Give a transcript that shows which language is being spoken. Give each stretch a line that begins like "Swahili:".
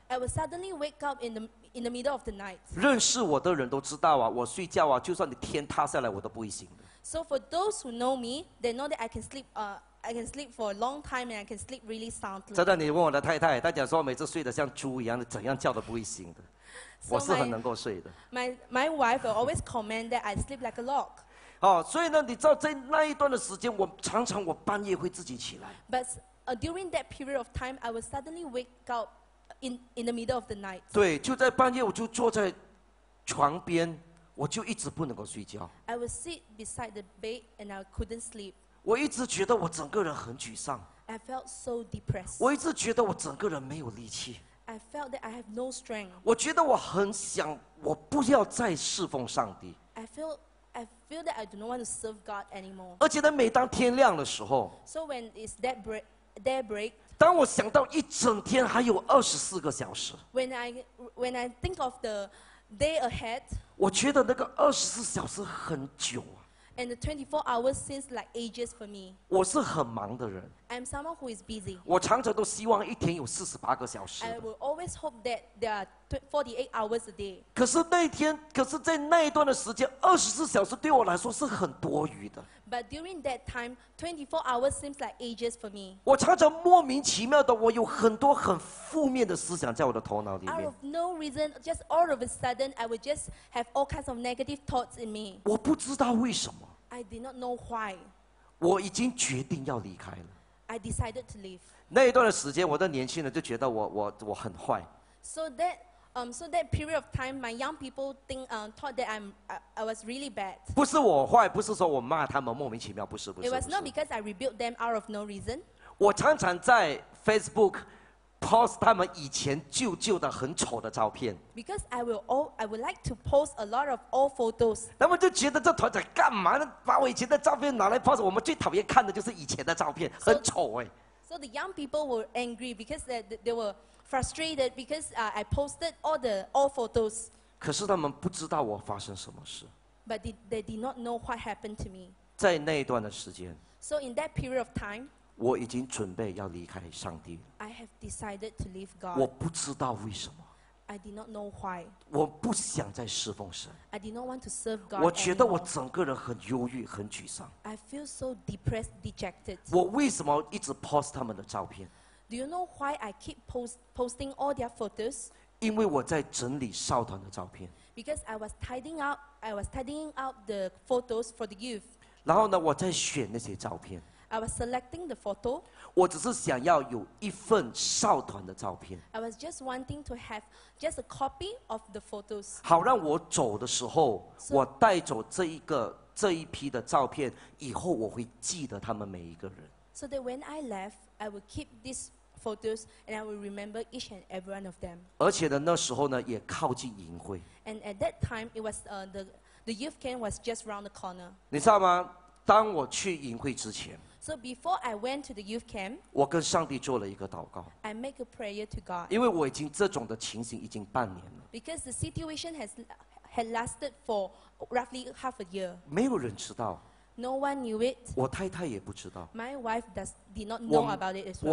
English: I would suddenly wake up in the middle of the night.
Chinese: 认识我的人都知道啊，我睡觉啊，就算你天塌下来，我都不会醒。
English: So for those who know me, they know that I can sleep for a long time and I can sleep really soundly.
Chinese: 真的，你问我的太太，她讲说每次睡得像猪一样，怎样叫都不会醒的。 So、我是很能够睡的。
English: My wife will always comment that I sleep like a log.
Chinese: 哦，所以呢，你知道在那一段的时间，我常常我半夜会自己起来。
English: But during that period of time, I will suddenly wake up in the middle of the night.
Chinese: 对，就在半夜，我就坐在床边。我就一直不能够睡觉。
English: I would sit beside the bed and I couldn't sleep.
Chinese: 我一直觉得我整个人很沮丧。
English: I felt so depressed.
Chinese: 我一直觉得我整个人没有力气。
English: I felt that I have no strength.
Chinese: 我觉得我很想，我不要再侍奉上帝。
English: I feel that I do not want to serve God anymore.
Chinese: 而且呢，每当天亮的时候
English: ，So when it's daybreak.
Chinese: 当我想到一整天还有24个小时
English: ，When I think of the day ahead.
Chinese: 我觉得那个24小时很久啊。
English: And the 24 hours seems like ages for me.
Chinese: 我是很忙的人。
English: I'm someone who is busy.
Chinese: 我常常都希望一天有48个小时。
English: I will always hope that there are 48 hours a day.
Chinese: 可是那天，可是在那一段的时间，24小时对我来说是很多余的。
English: But during that time, 24 hours seems like ages for me.
Chinese: 我常常莫名其妙的，我有很多很负面的思想在我的头脑里面。
English: Out of no reason, just all of a sudden, I would just have all kinds of negative thoughts in me.
Chinese: 我不知道为什么。
English: I did not know why.
Chinese: 我已经决定要离开了。
English: I decided to leave.
Chinese: 那一段的时间，我的年轻人就觉得我很坏。
English: So that period of time, my young people thought that I was really bad.
Chinese: 不是我坏，不是说我骂他们莫名其妙，不是不是。
English: It was not because I rebuked them out of no reason.
Chinese: 我常常在 Facebook post 他们以前旧的很丑的照片。
English: Because I would like to post a lot of old photos.
Chinese: 他们就觉得这团长干嘛呢？把我以前的照片拿来 post， 我们最讨厌看的就是以前的照片，很丑哎。
English: So the young people were angry because they were. Frustrated because I posted all photos.
Chinese: 可是他们不知道我发生什么事。
English: But they did not know what happened to me.
Chinese: 在那一段的时间。
English: So in that period of time.
Chinese: 我已经准备要离开上帝。
English: I have decided to leave God.
Chinese: 我不知道为什么。
English: I did not know why.
Chinese: 我不想再侍奉神。
English: I did not want to serve God.
Chinese: 我觉得我整个人很忧郁，很沮丧。
English: I feel so depressed, dejected.
Chinese: 我为什么一直 post 他们的照片？
English: Do you know why I keep posting all their photos?
Chinese: 因为我在整理少团的照片。
English: Because I was tidying out the photos for the youth.
Chinese: 然后呢，我在选那些照片。
English: I was selecting the photo.
Chinese: 我只是想要有一份少团的照片。
English: I was just wanting to have just a copy of the photos.
Chinese: 好让我走的时候，我带走这一批的照片，以后我会记得他们每一个人。
English: So that when I left, I will keep these photos and I will remember each and every one of them.
Chinese: 而且呢，那时候呢也靠近营会。
English: And at that time, it was the youth camp was just round the corner.
Chinese: 你知道吗？当我去营会之前
English: ，So before I went to the youth camp,
Chinese: 我跟上帝做了一个祷告。
English: I make a prayer to God.
Chinese: 因为我已经这种的情形已经半年了。
English: Because the situation had lasted for roughly half a year.
Chinese: 没有人知道。
English: No one knew it.
Chinese: 我太太也不知道。
English: My wife did not know about it as well.